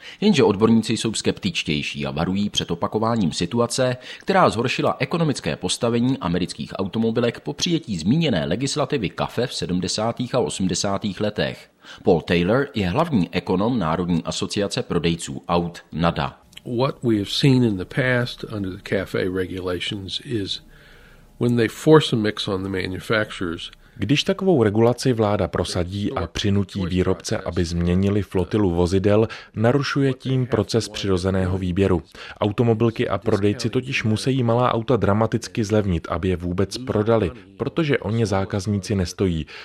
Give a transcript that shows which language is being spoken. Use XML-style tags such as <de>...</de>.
<cs>Jenže odborníci jsou skeptičtější a varují před opakováním situace, která zhoršila ekonomické postavení amerických automobilek po přijetí zmíněné legislativy CAFE v 70. a 80. letech. Paul Taylor je hlavní ekonom Národní asociace prodejců aut NADA.</cs> <en>What we have seen in the past under the CAFE regulations is when they force a mix on the manufacturers.</en> <cs>Když takovou regulaci vláda prosadí a přinutí výrobce, aby změnili flotilu vozidel, narušuje tím proces přirozeného výběru. Automobilky a prodejci totiž musí malá auta dramaticky zlevnit, aby je vůbec prodali, protože o ně zákazníci nestojí.</cs>